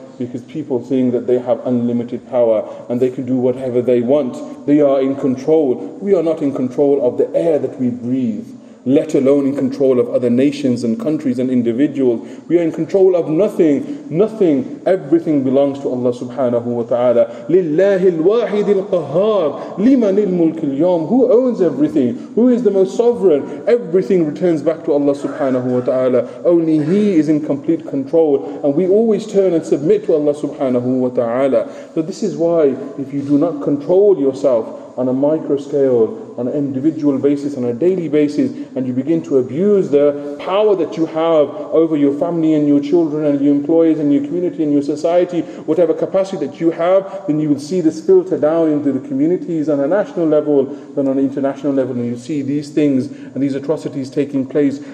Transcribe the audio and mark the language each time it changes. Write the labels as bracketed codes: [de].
[en] Because people think that they have unlimited power and they can do whatever they want. They are in control. We are not in control of the air that we breathe, let alone in control of other nations and countries and individuals. We are in control of nothing. Nothing. Everything belongs to Allah subhanahu wa ta'ala. [ar] لِلَّهِ الْوَاحِدِ الْقَهَارِ لِمَنِ الْمُلْكِ الْيَوْمِ [en] Who owns everything? Who is the most sovereign? Everything returns back to Allah subhanahu wa ta'ala. Only He is in complete control. And we always turn and submit to Allah subhanahu wa ta'ala. So this is why if you do not control yourself on a micro scale, on an individual basis, on a daily basis, and you begin to abuse the power that you have over your family and your children and your employees and your community and your society, whatever capacity that you have, then you will see this filter down into the communities on a national level, then on an international level, and you see these things and these atrocities taking place.